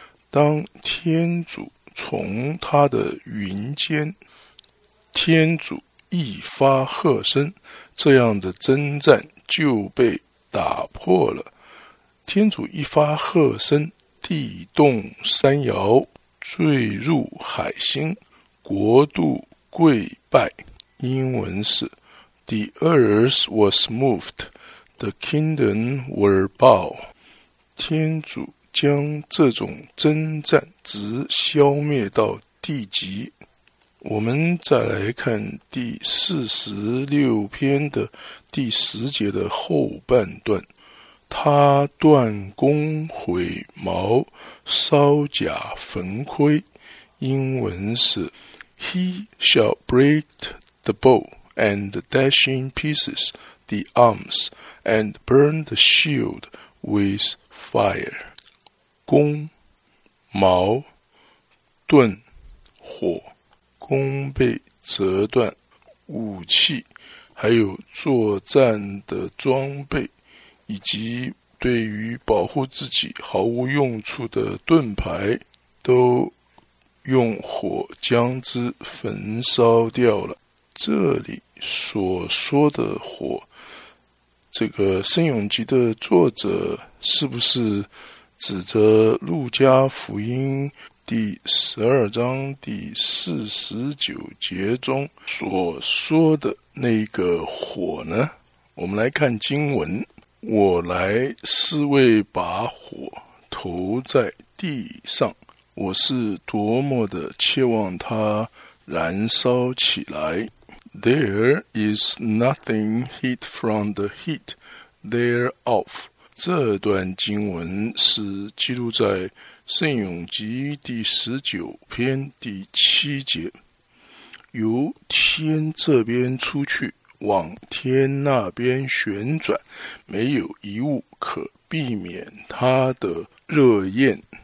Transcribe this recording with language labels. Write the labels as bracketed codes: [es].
[zh] 当天主从他的云间，天主一发喝声，这样的征战就被打破了。天主一发喝声，地动山摇，坠入海星，国度跪拜。英文是 [en] The earth was moved, the kingdom were bowed. [zh] 天主将这种征战直消灭到地极。我们再来看第46篇的第10节的后半段，他断弓毁矛，烧甲焚盔，英文是 [en] He shall break the bow and dash in pieces the arms and burn the shield with fire. [zh] 弓、矛、盾、火，弓被折断，武器还有作战的装备，以及对于保护自己毫无用处的盾牌，都用火将之焚烧掉了。这里所说的火，这个圣咏集的作者是不是指着路加福音第12章第49节中所说的那个火呢？我们来看经文，我来是为把火投在地上，我是多么的切望它燃烧起来。 [en] There is nothing hid from the heat thereof。 [zh] 这段经文是记录在圣咏集第19篇第7节，由天这边出去，往天那边旋转，没有一物可避免它的热焰。